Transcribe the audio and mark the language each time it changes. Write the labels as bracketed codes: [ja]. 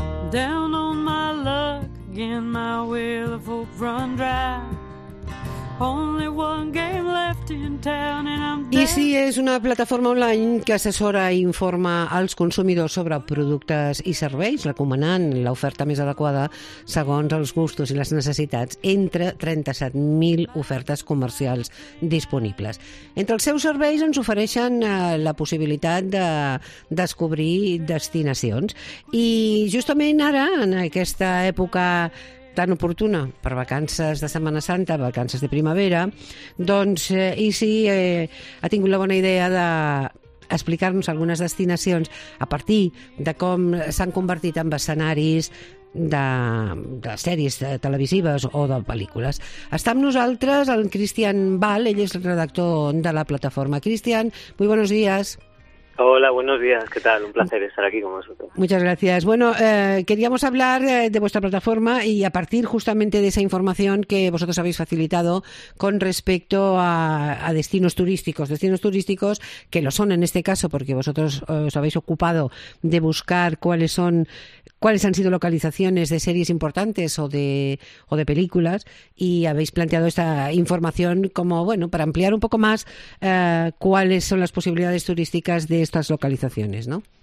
[en] down on my luck again, my wheel of hope run dry. Only one game left in town and I'm dead. [ca] Easy es una plataforma online que assessora i informa als consumidors sobre productes i serveis, recomanant l'oferta més adequada segons els gustos i les necessitats entre 37.000 ofertes comercials disponibles. Entre els seus serveis ens ofereixen la possibilitat de descobrir destinacions. I justament ara, en aquesta època tan oportuna per vacances de Setmana Santa, vacances de primavera, doncs Easy ha tingut la bona idea d'explicar-nos algunes destinacions a partir de com s'han convertit en escenaris de sèries televisives o de pel·lícules. Està amb nosaltres el Cristian Val, ell és el redactor de la plataforma. [es] Cristian, muy buenos días. Hola, buenos días. ¿Qué tal? Un placer estar aquí con vosotros. Muchas gracias. Bueno, queríamos hablar de vuestra plataforma y a partir justamente de esa información que vosotros habéis facilitado con respecto a destinos turísticos. Destinos turísticos que lo son en este caso porque vosotros os habéis ocupado de buscar cuáles han sido localizaciones de series importantes o de películas y habéis planteado esta información como, bueno, para ampliar un poco más cuáles son las posibilidades turísticas de estas localizaciones, ¿no?